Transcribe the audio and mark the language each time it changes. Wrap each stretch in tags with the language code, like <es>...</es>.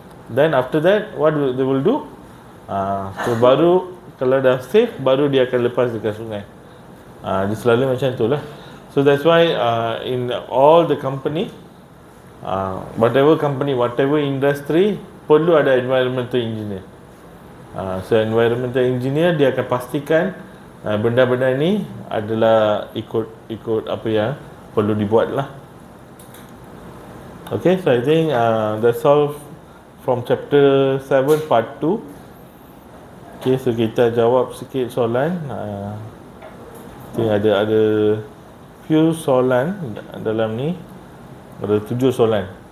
<en>Then after that, what they will do?</en> <ms>So baru kalau dah safe, baru dia akan lepas dekat sungai. Dia selalu macam tu lah.</ms> <en>So that's why in all the company, whatever company, whatever industry,</en> <ms>perlu ada</ms> <en>environmental engineer.</en> <ms>So environmental engineer, dia akan pastikan benda-benda ni adalah ikut apa yang perlu dibuat lah.</ms> <en>Okay, so I think that's all from chapter 7 part 2.</en> <ms>Okay, so kita jawab sikit soalan. Ada few soalan dalam ni. Ada 7 soalan.</ms>